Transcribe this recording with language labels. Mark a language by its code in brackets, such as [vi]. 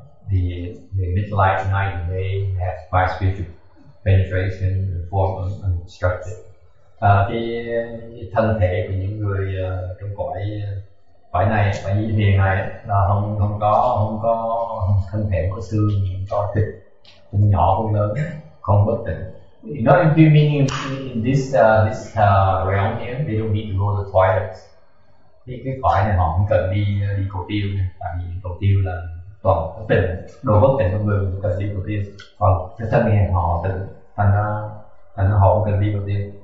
[en] The mid-light night and day has five spiritual penetration, form unobstructed. [vi] Cái thân thể của những người trong cõi cõi này, cõi như thiền này là không có thân thể có xương, không có thịt, không nhỏ không lớn, không bất tịnh. [en] You know, if you mean in this realm here, they don't need to go to the toilets. [vi] Thì cái cõi này họ không cần đi cầu tiêu, tại vì cầu tiêu là toàn bất tịnh, đồ bất tịnh trong người cần đi cầu tiêu. Còn cái thân này họ tịnh, thành ra họ cần đi cầu tiêu.